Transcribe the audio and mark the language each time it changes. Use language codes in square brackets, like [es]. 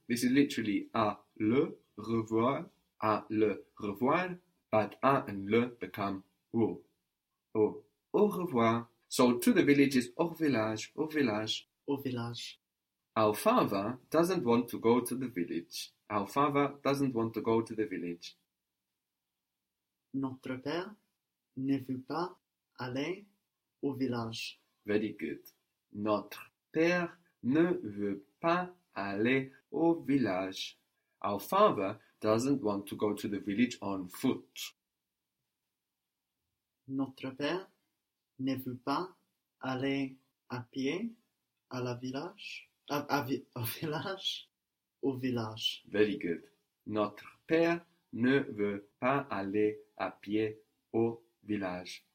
[en] This is literally [fr] à le revoir. À le revoir. [en] But à and le become au. [fr] Au. Au revoir. [en] So to the village is [fr] au village. Au village. Au village. [en] Our father doesn't want to go to the village. Our father doesn't want to go to the village. [fr] Notre père ne veut pas aller au village. [en] Very good. [fr] Notre père ne veut pas aller au village. [en] Our father doesn't want to go to the village on foot. [fr] Notre père ne veut pas aller à pied à la village. Au village. Au village. [en] Very good. [fr] Notre père ne veut pas aller à pied au village.